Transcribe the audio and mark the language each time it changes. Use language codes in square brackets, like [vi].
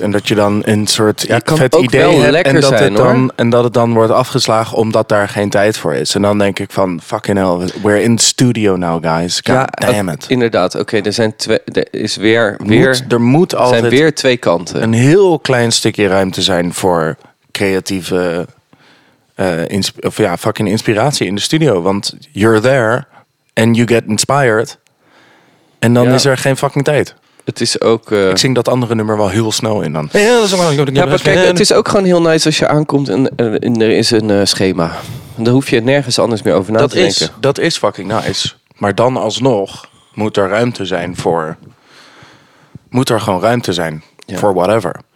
[nl] En dat je dan een soort vet idee hebt. En dat het dan wordt afgeslagen omdat daar geen tijd voor is. En dan denk ik van, [en] fucking hell, we're in studio now, guys. God damn it. [nl] Inderdaad, oké, er zijn weer twee kanten. Een heel klein stukje ruimte zijn voor creatieve... fucking inspiratie in de studio. Want [en] you're there and you get inspired. [nl] En dan is er geen fucking tijd. Het is ook... Ik zing dat andere nummer wel heel snel in dan. Ja, dat is wel... het is ook gewoon heel nice als je aankomt en er is een schema. Dan hoef je nergens anders meer over na te denken. Dat is fucking nice. Maar dan alsnog moet er ruimte zijn voor... Moet er gewoon ruimte zijn voor whatever.